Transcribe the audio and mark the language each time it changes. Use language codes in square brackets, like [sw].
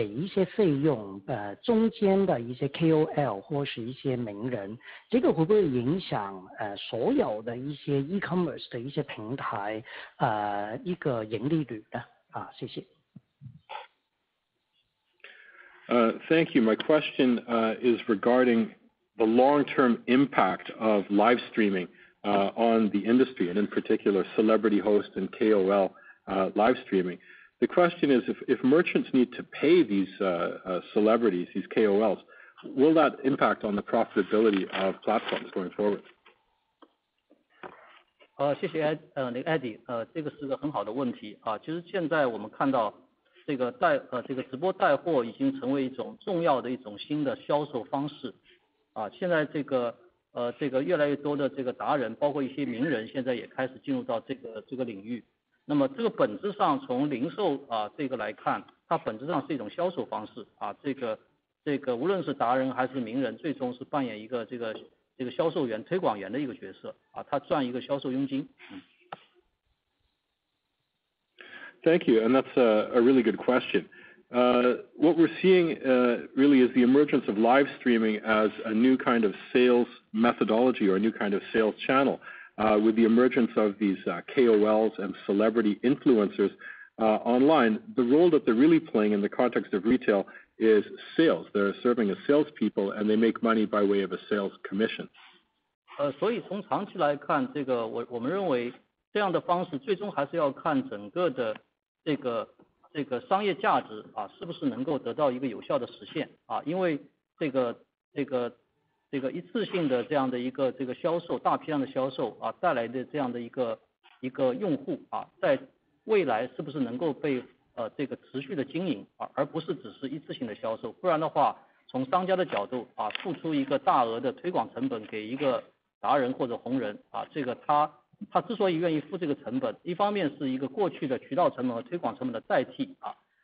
[zh] 如果我们看见一些商家都需要给一些费用，中间的一些 KOL 或是一些名人，这个会不会影响所有的一些 e-commerce 的一些平台一个盈利率呢？谢谢。 [en] Thank you. My question is regarding the long-term impact of live streaming on the industry, and in particular, celebrity host and KOL live streaming. The question is, if merchants need to pay these celebrities, these KOLs, will that impact on the profitability of platforms going forward? [zh] 谢谢 Eddie, 这个是个很好的问题。其实现在我们看到这个带这个直播带货已经成为一种重要的一种新的销售方式啊。现在这个这个越来越多的这个达人，包括一些名人，现在也开始进入到这个领域。那么这个本质上从零售啊这个来看，它本质上是一种销售方式啊。这个无论是达人还是名人，最终是扮演一个这个销售员、推广员的一个角色啊，他赚一个销售佣金。 [en] Thank you, and that's a really good question. What we're seeing really is the emergence of live streaming as a new kind of sales methodology or a new kind of sales channel. With the emergence of these KOLs and celebrity influencers online, the role that they're really playing in the context of retail is sales. They're serving as salespeople, and they make money by way of a sales commission. [zh] 所以从长期来看，这个我们认为这样的方式最终还是要看整个的这个商业价值啊，是不是能够得到一个有效的实现啊？因为这个一次性的这样的一个这个销售，大批量的销售啊，带来的这样的一个用户啊，在未来是不是能够被这个持续的经营啊，而不是只是一次性的销售？不然的话，从商家的角度啊，付出一个大额的推广成本给一个达人或者红人啊，这个他之所以愿意付这个成本，一方面是一个过去的渠道成本和推广成本的代替啊，